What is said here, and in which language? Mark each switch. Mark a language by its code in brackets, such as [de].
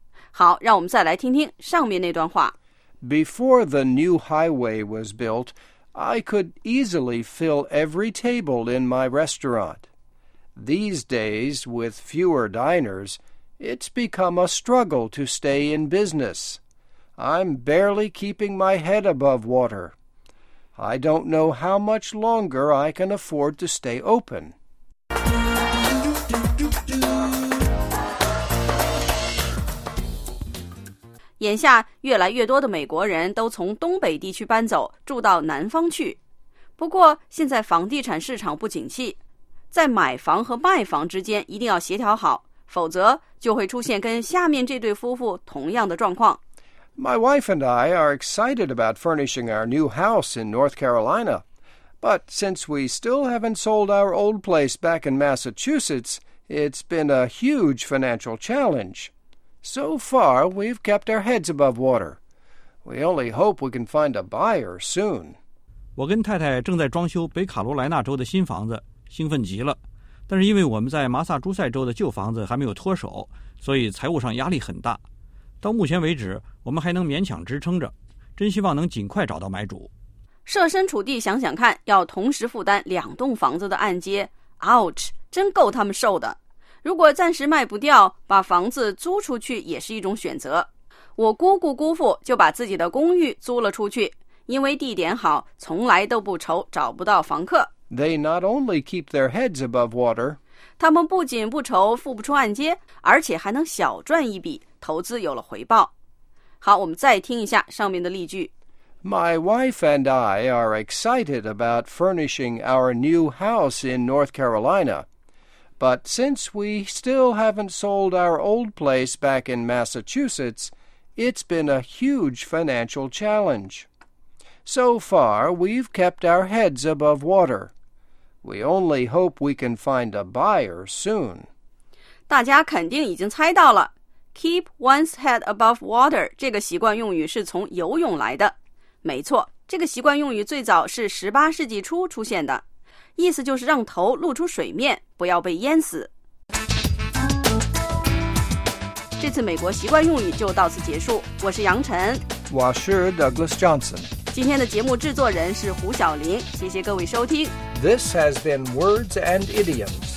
[zh] 好，让我们再来听听上面那段话。 [en] Before the new highway was built, I could easily fill every table in my restaurant. These days, with fewer diners, it's become a struggle to stay in business. I'm barely keeping my head above water. I don't know how much longer I can afford to stay open. [zh] 眼下越来越多的美国人都从东北地区搬走，住到南方去。不过现在房地产市场不景气，在买房和卖房之间一定要协调好，否则就会出现跟下面这对夫妇同样的状况。 [en] My wife and I are excited about furnishing our new house in North Carolina. But since we still haven't sold our old place back in Massachusetts, it's been a huge financial challenge. So far, we've kept our heads above water. We only hope we can find a buyer soon. [zh] 我跟太太正在装修北卡罗来纳州的新房子，兴奋极了。但是因为我们在马萨诸塞州的旧房子还没有脱手，所以财务上压力很大。到目前为止，我们还能勉强支撑着，真希望能尽快找到买主。设身处地想想看，要同时负担两栋房子的按揭 ，ouch， 真够他们受的。如果暂时卖不掉，把房子租出去也是一种选择。我姑姑姑父就把自己的公寓租了出去，因为地点好，从来都不愁找不到房客。 [en] They not only keep their heads above water. [zh] 他们不仅不愁付不出按揭，而且还能小赚一笔。投资有了回报。好，我们再听一下上面的例句。 [en] My wife and I are excited about furnishing our new house in North Carolina. But since we still haven't sold our old place back in Massachusetts, it's been a huge financial challenge. So far, we've kept our heads above water. We only hope we can find a buyer soon. [zh] 大家肯定已经猜到了。 Keep one's head above water 这个习惯用语是从游泳来的。没错，这个习惯用语最早是18世纪初出现的，意思就是让头露出水面，不要被淹死。这次美国习惯用语就到此结束，我是杨晨，我是 Douglas Johnson。今天的节目制作人是胡晓玲，谢谢各位收听。 [en] This has been Words and Idioms.